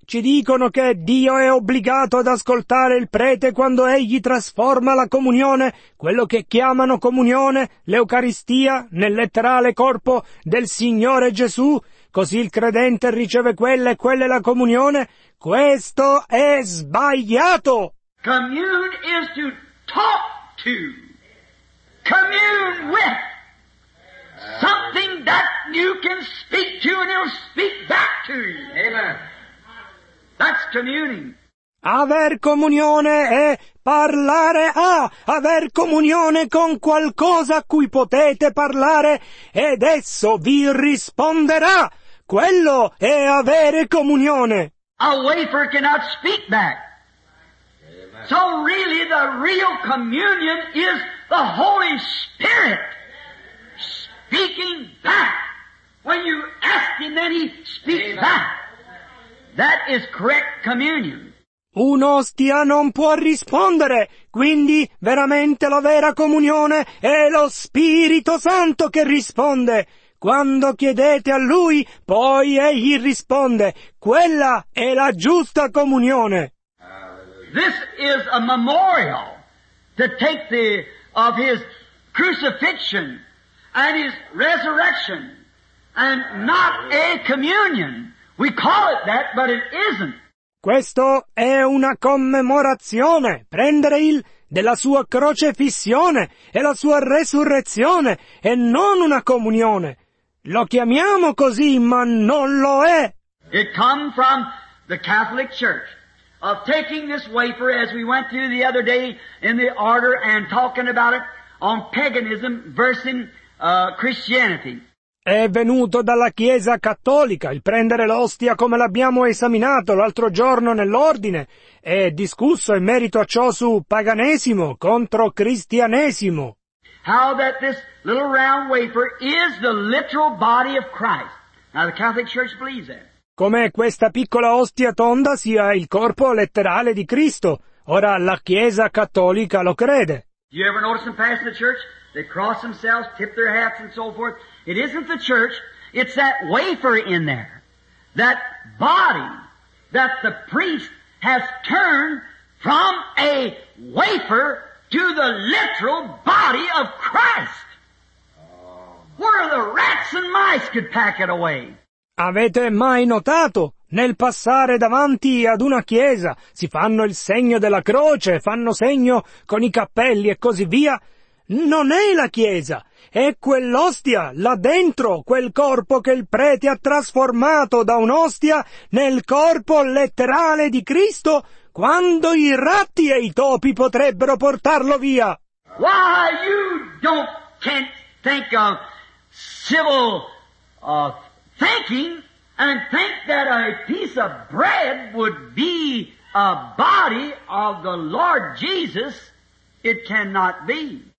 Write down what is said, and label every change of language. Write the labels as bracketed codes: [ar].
[it] Ci dicono che Dio è obbligato ad ascoltare il prete quando egli trasforma la comunione, quello che chiamano comunione, l'Eucaristia, nel letterale corpo del Signore Gesù. Così il credente riceve quella e quella è la comunione. Questo è sbagliato! [en] Commune is to talk to, commune with, something that you can speak to and it'll speak back to you. Amen. That's communing. [it] Aver comunione è parlare a, aver comunione con qualcosa a cui potete parlare ed esso vi risponderà. Quello è avere comunione. [en] A wafer cannot speak back. So really the real communion is the Holy Spirit speaking back. When you ask Him, then He speaks back. That is correct communion. [it] Un'ostia non può rispondere, quindi veramente la vera comunione è lo Spirito Santo che risponde. Quando chiedete a Lui, poi Egli risponde. Quella è la giusta comunione. [en] This is a memorial to take the of His crucifixion and His resurrection, and not a communion. We call it that, but it isn't. [it] Questo è una commemorazione. Prendere il della sua crocefissione e la sua resurrezione e non una comunione. Lo chiamiamo così, ma non lo è. [en] It come from the Catholic Church of taking this wafer as we went through the other day in the order and talking about it on paganism versus Christianity. [it] È venuto dalla Chiesa Cattolica il prendere l'ostia come l'abbiamo esaminato l'altro giorno nell'ordine e discusso in merito a ciò su paganesimo contro cristianesimo. [en] How that this little round wafer is the literal body of Christ. Now the Catholic Church believes that. [it] Come questa piccola ostia tonda sia il corpo letterale di Cristo. Ora la Chiesa Cattolica lo crede. [en] Do you ever notice them pass in the church? They cross themselves, tip their hats and so forth. It isn't the church, it's that wafer in there. That body that the priest has turned from a wafer to the literal body of Christ. Where the rats and mice could pack it away. [it] Avete mai notato? Nel passare davanti ad una chiesa si fanno il segno della croce, fanno segno con i cappelli e così via. Non è la chiesa, è quell'ostia là dentro, quel corpo che il prete ha trasformato da un'ostia nel corpo letterale di Cristo, quando i ratti e i topi potrebbero portarlo via. [en] Why you don't can't think of civil thinking and think that a piece of bread would be a body of the Lord Jesus, it cannot be.